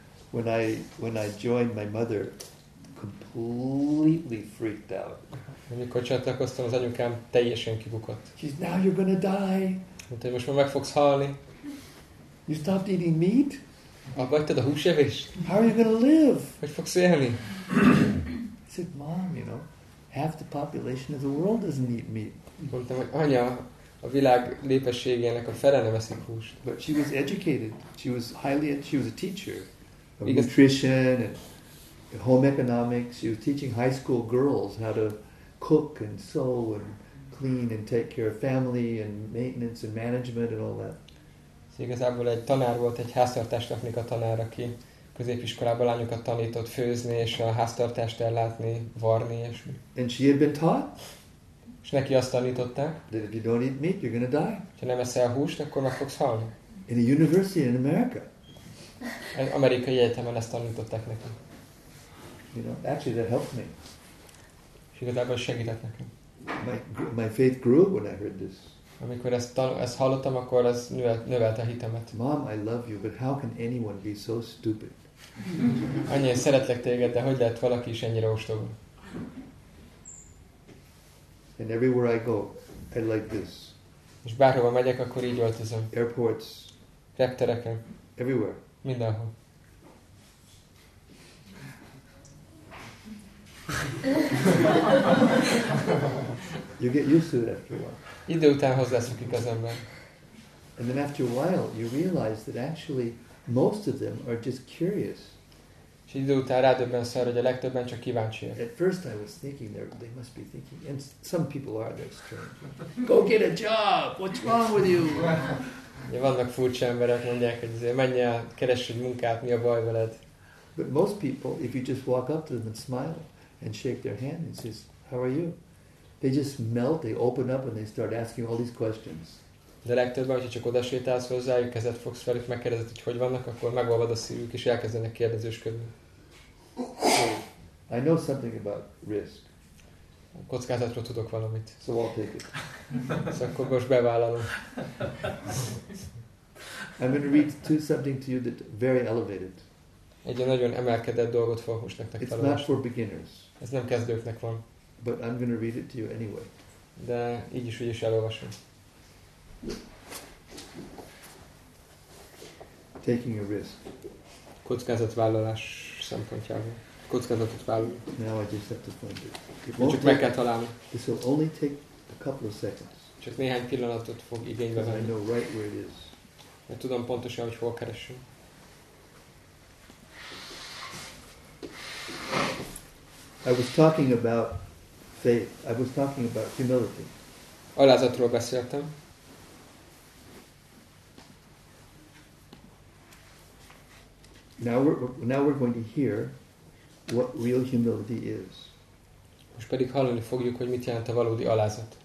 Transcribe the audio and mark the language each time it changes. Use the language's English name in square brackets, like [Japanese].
[English] When I joined my mother, completely freaked out. [Hungarian] Amikor csatlakoztam az anyukám, teljesen kibukott. [English] She's, now you're gonna die. [Hungarian] Mondta, hogy most már meg fogsz halni. [English] You stopped eating meat? [Hungarian] Abba hagytad a húsevést? [English] How are you gonna live? [Hungarian] Hogy fogsz élni? [English] I said, mom, you know, half the population of the world doesn't eat meat. [Hungarian] Mondtam, hogy anya, a világ lépességének a fele nem eszik húst. [English] But she was educated. She was a teacher of nutrition and home economics. She was teaching high school girls how to cook and sew and clean and take care of family and maintenance and management and all that. [Hungarian] Igazából egy tanár volt, egy háztartástechnika tanár, aki középiskolában lányokat tanított főzni és a háztartást ellátni, varni és mi. [English] And she had been taught. [Hungarian] És neki azt tanították. [English] That if you don't eat meat, you're gonna die. [Hungarian] Ha nem eszel húst, akkor meg fogsz halni. [English] In a university in America. [Hungarian] Egy amerikai egyetemen ezt tanították neki. [English] You know, actually that helped me. [Hungarian] És igazából segített nekem. [English] My faith grew when I heard this. [Hungarian] Amikor ezt hallottam, akkor ez növelte a hitemet. [English] Mom, I love you, but how can anyone be so stupid? [Hungarian] Anya, szeretlek téged, de hogy lehet valaki is ennyire ostoba? [English] And everywhere I go, I like this. [Hungarian] És bárhova megyek, akkor így öltözöm. [English] Airports. [Hungarian] Reptereken. [English] Everywhere. [Hungarian] Mindenhol. [English] You get used to it after a while. [Hungarian] Idő után hozzászokik az ember. [English] And then after a while, you realize that actually most of them are just curious. [Hungarian] És idő után rádöbbensz arra, hogy a legtöbben csak kíváncsiak. [English] At first I was thinking they must be thinking, and some people are, they're strange. Go get a job. What's wrong with you? [Hungarian] Ja, vannak furcsa emberek, mondják, hogy azért menj el, keress egy munkát, mi a baj veled? [English] But most people, if you just walk up to them and smile and shake their hand and says, how are you? They just melt, they open up and they start asking all these questions. [Hungarian] De legtöbben, hogyha csak oda sétálsz hozzájuk, kezed fogsz felük, megkérdezed, hogy hogy vannak, akkor megolvad a szívük, és elkezdenek kérdezősködni. [English] I know something about risk. [Hungarian] A kockázatról tudok valamit. [English] So I'll take it. [Hungarian] Szóval akkor most bevállalom. [English] I'm going to read to something to you that very elevated. [Hungarian] Egy nagyon emelkedett dolgot fogok most nektek felolvasni. [English] It's not for beginners. [Hungarian] Ez nem kezdőknek van. [English] But I'm going to read it to you anyway. [Hungarian] De így is, úgy is elolvasom. [English] Taking a risk. [Hungarian] Kockázatvállalás szempontjából. Kockázatot vállalni. [English] Now I just have to find it. [Hungarian] Csak meg kell találni. [English] This will only take a couple of seconds. [Hungarian] Csak néhány pillanatot fog igénybe venni. [English] I know right where it is. [Hungarian] Mert tudom pontosan, hogy hol keresünk. [English] I was talking about faith. I was talking about humility. [Hungarian] Alázatról beszéltem. [English] Now we're going to hear what real humility is. [Hungarian] Most pedig hallani fogjuk, hogy mit jelent a valódi alázat.